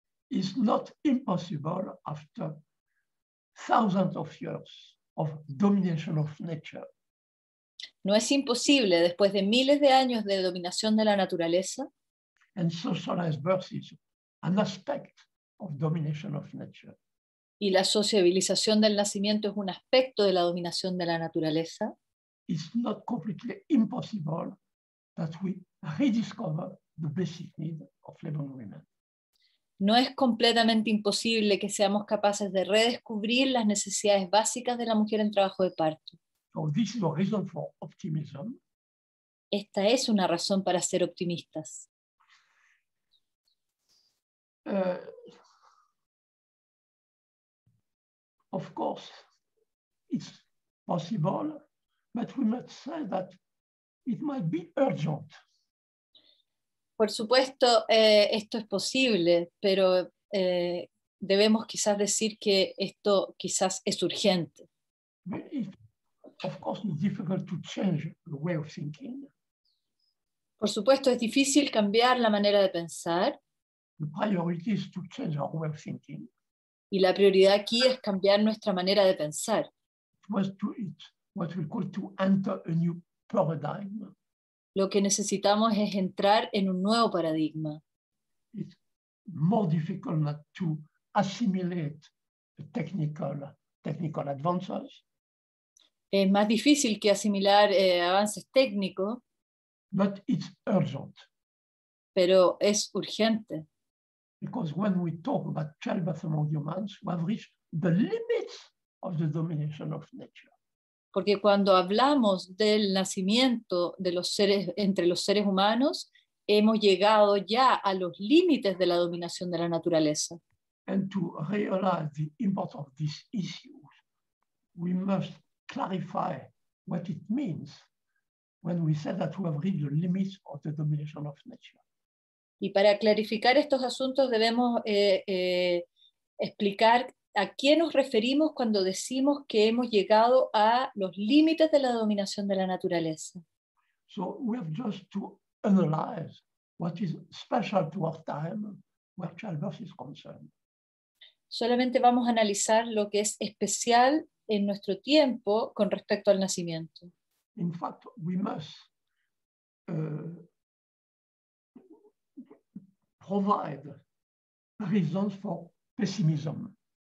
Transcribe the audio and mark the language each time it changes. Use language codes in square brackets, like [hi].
[en] It's not impossible after thousands of years of domination of nature. [es] No es imposible después de miles de años de dominación de la naturaleza. [en] And socialized birth is an aspect of domination of nature. [es] Y la sociabilización del nacimiento es un aspecto de la dominación de la naturaleza. [en] It's not completely impossible that we rediscover the basic need of Lebanon women. [es] No es completamente imposible que seamos capaces de redescubrir las necesidades básicas de la mujer en trabajo de parto. [en] So this is a reason for optimism. [es] Esta es una razón para ser optimistas. [en] Of course, it's possible, but we must say that it might be urgent. [es] Por supuesto, esto es posible, pero debemos quizás decir que esto quizás es urgente. [en] Of course, it's difficult to change the way of thinking. [es] Por supuesto, es difícil cambiar la manera de pensar. [en] The priority is to change our way of thinking. [es] Y la prioridad aquí es cambiar nuestra manera de pensar. [en] What we call to enter a new paradigm. [es] Lo que necesitamos es entrar en un nuevo paradigma. [en] It's more difficult not to assimilate the technical advances. [es] Es más difícil que asimilar avances técnicos. [en] But it's urgent. [es] Pero es urgente. [en] Because when we talk about childbirth among humans, we have reached the limits of the domination of nature. [es] Porque cuando hablamos del nacimiento de los seres, entre los seres humanos, hemos llegado ya a los límites de la dominación de la naturaleza. [en] And to realize the importance of these issues, we must clarify what it means when we say that we have reached the limits of the domination of nature. [es] Y para clarificar estos asuntos debemos explicar ¿a qué nos referimos cuando decimos que hemos llegado a los límites de la dominación de la naturaleza? [en] So we have just to analyze what is special to our time where childbirth is concerned. [es] Solamente vamos a analizar lo que es especial en nuestro tiempo con respecto al nacimiento. [en] In fact, we must provide reasons for pessimism.